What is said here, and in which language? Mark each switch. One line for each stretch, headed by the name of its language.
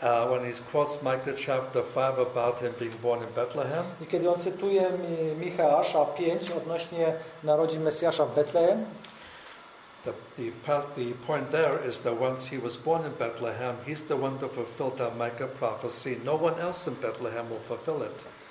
English: When he quotes Micah chapter 5 about him being born in Bethlehem.
Polish: I kiedy on cytuje Micheasza 5 odnośnie narodzin Mesjasza w Betlejem.
English: The point there is that once he was born in Bethlehem, he's the one to fulfill that Micah prophecy. No one else in Bethlehem will fulfill it.